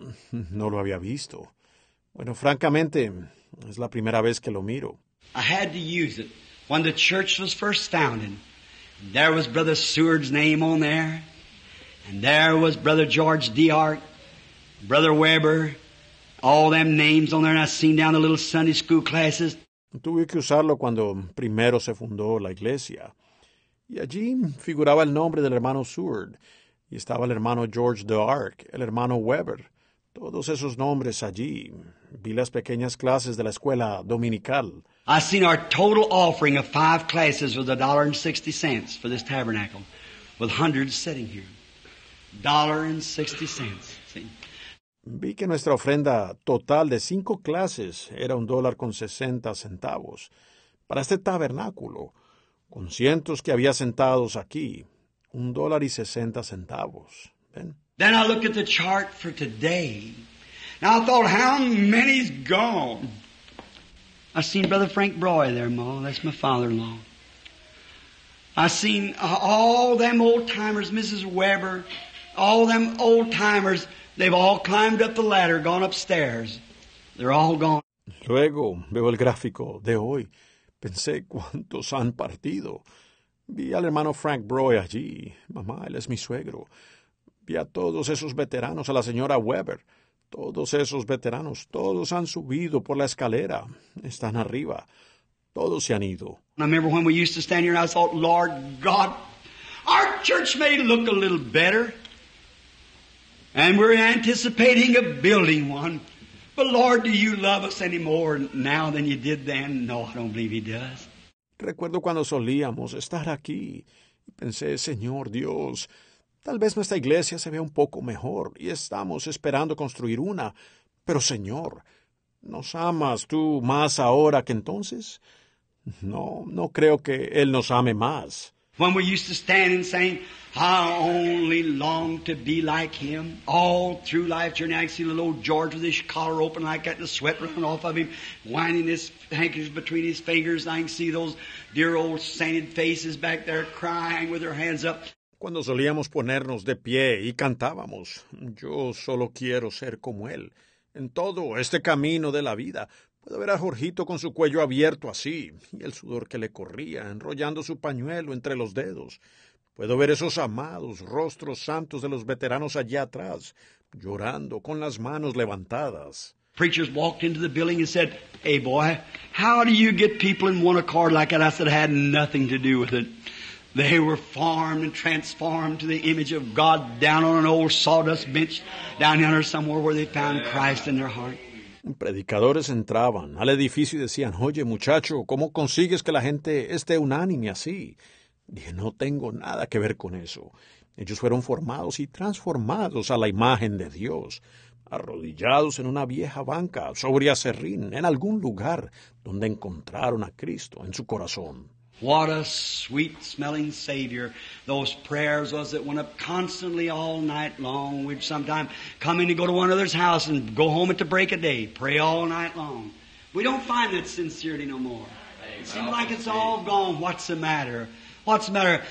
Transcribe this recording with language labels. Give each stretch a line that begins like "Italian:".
Spanish: No lo había visto. Bueno, francamente, es la primera vez que lo miro.
English: I had to use it. When the church was first founded, there was Brother Seward's name on there, and there was Brother George Deart, Brother Weber, all them names on there, and I seen down the little Sunday school classes.
Spanish: Tuve que usarlo cuando primero se fundó la iglesia. Y allí figuraba el nombre del hermano Seward, y estaba el hermano George Deark, el hermano Weber, todos esos nombres allí. Vi las pequeñas clases de la escuela dominical.
English: I seen our total offering of 5 classes was $1.60 for this tabernacle, with hundreds sitting here. $1.60.
Spanish: Vi que nuestra ofrenda total de 5 clases era $1.60 para este tabernáculo. Con cientos que había sentados aquí, $1.60. ¿Ven?
English: Then I looked at the chart for today. Now I thought, how many's gone? I seen Brother Frank Broy there, Ma. That's my father-in-law. I seen all them old-timers, Mrs. Weber, all them old-timers. They've all climbed up the ladder, gone upstairs. They're all gone.
Spanish: Luego veo el gráfico de hoy. Pensé, ¿cuántos han partido? Vi al hermano Frank Broy allí. Mamá, él es mi suegro. Vi a todos esos veteranos, a la señora Weber. Todos esos veteranos, todos han subido por la escalera. Están arriba. Todos se han ido.
English: I remember when we used to stand here and I thought, Lord God, our church may look a little better. And we're anticipating a building one. But Lord, do you love us any more now than you did then? No, I don't believe he does.
Spanish: Recuerdo cuando solíamos estar aquí. Pensé, Señor Dios, tal vez nuestra iglesia se vea un poco mejor y estamos esperando construir una. Pero Señor, ¿nos amas tú más ahora que entonces? No, no creo que Él nos ame más.
English: When we used to stand and sing, I only long to be like him all through life. Journey, I see little old George with his collar open like that, the sweat running off of him, winding his handkerchief between his fingers. I can see those dear old sainted faces back there crying with their hands up.
Spanish: Cuando solíamos ponernos de pie y cantábamos, yo solo quiero ser como él. En todo este camino de la vida, puedo ver a Jorgito con su cuello abierto así, y el sudor que le corría, enrollando su pañuelo entre los dedos. Puedo ver esos amados rostros santos de los veteranos allá atrás, llorando con las manos levantadas.
English: Preachers walked into the building and said, "Hey boy, how do you get people in one accord like that?" I said, "I had nothing to do with it. They were formed and transformed to the image of God down on an old sawdust bench down yonder somewhere where they found Christ in their heart."
Spanish: Predicadores entraban al edificio y decían, "Oye muchacho, ¿cómo consigues que la gente esté unánime así?" Dije, "No tengo nada que ver con eso. Ellos fueron formados y transformados a la imagen de Dios, arrodillados en una vieja banca sobre aserrín, en algún lugar donde encontraron a Cristo en su corazón."
English: What a sweet smelling Savior those prayers was that went up constantly all night long. We'd sometimes come in and go to one another's house and go home at the break of day, pray all night long. We don't find that sincerity no more. It seems like it's all gone. What's the matter? What's the matter?